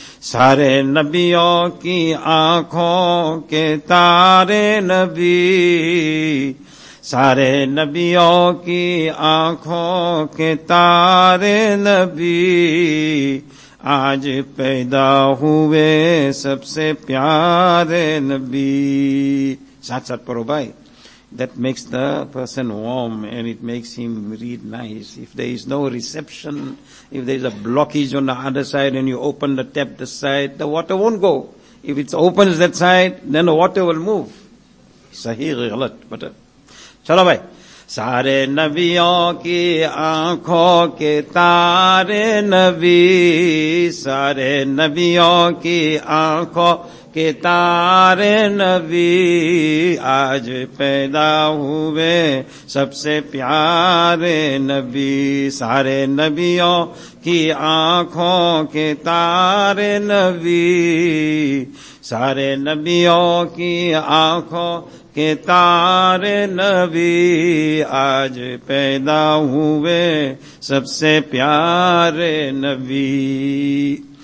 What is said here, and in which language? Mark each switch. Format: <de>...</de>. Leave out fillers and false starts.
<ur>سارے نبیوں کی آنکھوں کے تارے نبی, سارے نبیوں کی آنکھوں کے تارے نبی, آج پیدا ہوئے سب سے پیارے نبی. ساتھ ساتھ پڑھو بھائی.</ur> <en>That makes the person warm and it makes him read nice. If there is no reception, if there is a blockage on the other side and you open the tap this side, the water won't go. If it opens that side, then the water will move.</en> <ur>Sahih galat,</ur> <en>but</en> <ur>chalo bhai. Sare nabiyon ki aankhon ke tare nabi, sare nabiyon ki aankhon کے تارے نبی, آج پیدا ہوئے سب سے پیارے نبی. سارے نبیوں کی آنکھوں کے تارے نبی, سارے نبیوں کی آنکھوں کے تارے نبی, آج پیدا ہوئے سب سے پیارے نبی.</ur>